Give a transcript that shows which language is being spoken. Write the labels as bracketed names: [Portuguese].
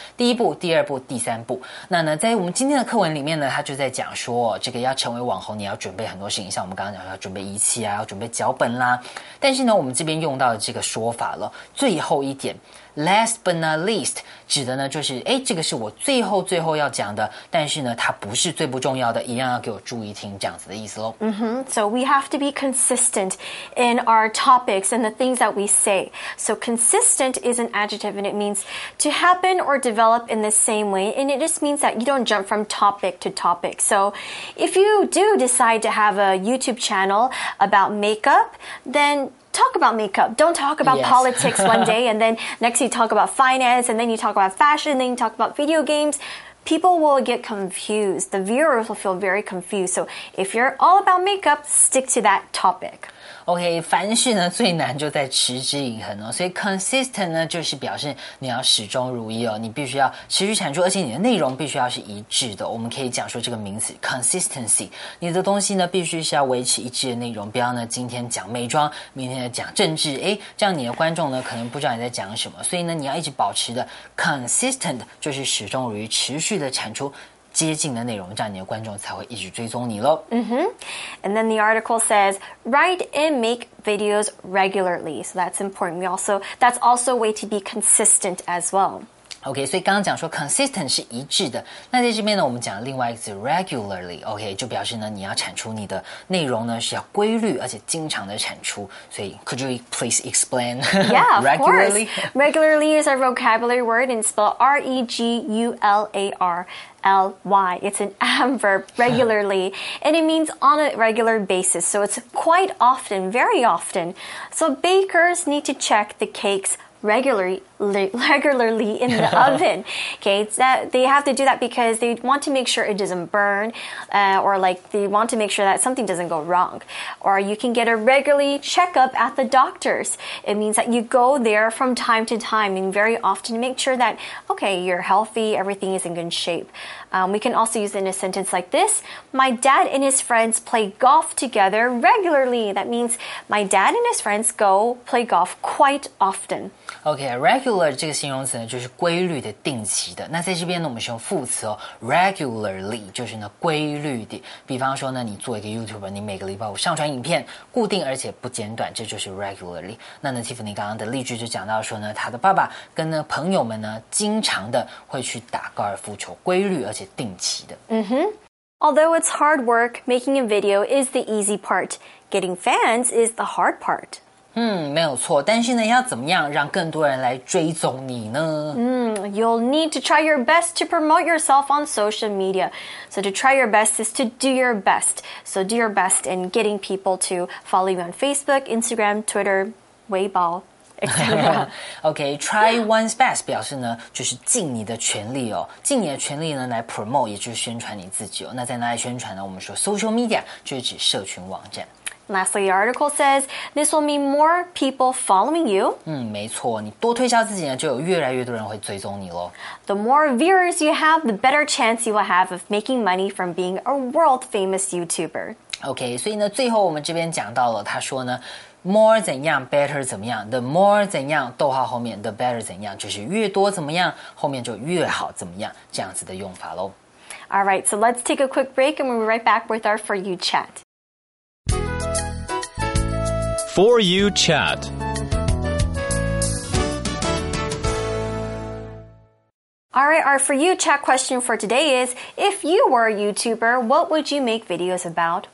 [Chinese] 第一步、第二步、第三步那呢在我们今天的课文里面呢他就在讲说这个要成为网红你要准备很多事情像我们刚刚讲要准备仪器啊要准备脚本啦但是呢我们这边用到的这个说法了最后一点 [English] last but not least [Chinese] 指的呢就是诶这个是我最后最后要讲的但是呢它不是最不重要的一样要给我注意听这样子的意思咯、 [English] So we have to be consistent in our topics and the things that we say So consistent is an adjective and it means to happen or develop in the same way and it just means that you don't jump from topic to topic So if you do decide to have a YouTube channel about makeup, then talk about makeup. Don't talk about Yes. politics one day, and then next you talk about finance, and then you talk about fashion, and then you talk about video games. People will get confused. The viewers will feel very confused. So if you're all about makeup, stick to that topic. [Chinese] OK, 凡事呢最难就在持之以恒哦所以 consistent 呢就是表示你要始终如一哦你必须要持续产出而且你的内容必须要是一致的我们可以讲说这个名词 consistency, 你的东西呢必须是要维持一致的内容不要呢今天讲美妆明天讲政治诶这样你的观众呢可能不知道你在讲什么所以呢你要一直保持的 consistent 就是始终如一持续的产出接近的内容，这样你的观众才会一直追踪你咯。 [English] And then the article says, write and make videos regularly. So that's important. That's also a way to be consistent as well. [Chinese] OK, 所以刚刚讲说 consistent 是一致的那在这边呢我们讲另外一个字 regularly, OK, 就表示呢你要产出你的内容呢是要规律而且经常的产出所以 [English] could you please explain? Yeah, of regularly? course. Regularly is our vocabulary word and spelled R-E-G-U-L-A-R-L-Y. It's an adverb, regularly. and it means on a regular basis. So it's quite often, very often. So bakers need to check the cakes regularly in the oven. Okay, that they have to do that because they want to make sure it doesn't burn, or like they want to make sure that something doesn't go wrong. Or you can get a regularly checkup at the doctor's. It means that you go there from time to time and very often to make sure that, okay, you're healthy, everything is in good shape. We can also use it in a sentence like this. My dad and his friends play golf together regularly. That means my dad and his friends go play golf quite often. [Chinese] Okay, regular 这个形容词呢就是规律的定期的。那在这边呢我们是用副词哦 ,regularly, 就是呢规律的。比方说呢你做一个 YouTuber, 你每个礼拜五上传影片固定而且不间断这就是 regularly。那呢 Tiffany 刚刚的例句就讲到说呢他的爸爸跟呢朋友们呢经常的会去打高尔夫球规律而且定期的。 Mm-hmm. [English] Although it's hard work, making a video is the easy part. Getting fans is the hard part. [Chinese] 没有错，但是呢，要怎么样让更多人来追踪你呢？ [English] You'll need to try your best to promote yourself on social media. So to try your best is to do your best. So do your best in getting people to follow you on Facebook, Instagram, Twitter, Weibo, etc. [Chinese] Okay, [English] try one's best [Chinese] 表示呢，就是尽你的全力哦，尽你的全力呢来 promote， 也就是宣传你自己哦。那在哪里宣传呢？我们说 social media 就是指社群网站。 [English] Lastly, the article says, this will mean more people following you. [Chinese] 没错，你多推销自己呢，就有越来越多人会追踪你咯。 [English] The more viewers you have, the better chance you will have of making money from being a world-famous YouTuber. [Chinese] Okay, 所以呢，最后我们这边讲到了，他说呢 ,more 怎样 ,better 怎么样 ,the more 怎样，逗号后面 ,the better 怎样，就是越多怎么样，后面就越好怎么样，这样子的用法咯。 [English] All right, so let's take a quick break and we'll be right back with our For You chat. For You Chat. All right, our For You Chat question for today is, if you were a YouTuber, what would you make videos about?